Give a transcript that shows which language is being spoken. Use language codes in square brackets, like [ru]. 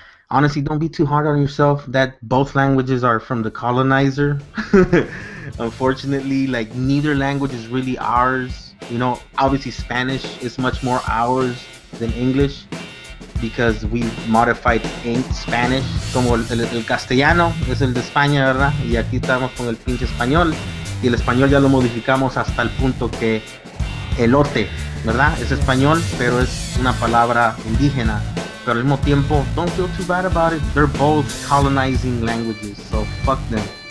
[en] Honestly, don't be too hard on yourself. That both languages are from the colonizer. Unfortunately, like, neither language is really ours. You know, obviously Spanish is much more ours than English because we modified Spanish. [es] Como el castellano es el de España, ¿verdad? Y aquí estamos con el pinche español. Y el español ya lo modificamos hasta el punto que elote, ¿verdad? Es español, pero es una palabra indígena. Pero al mismo tiempo, [en] don't feel too bad about it. They're both colonizing languages, so fuck them.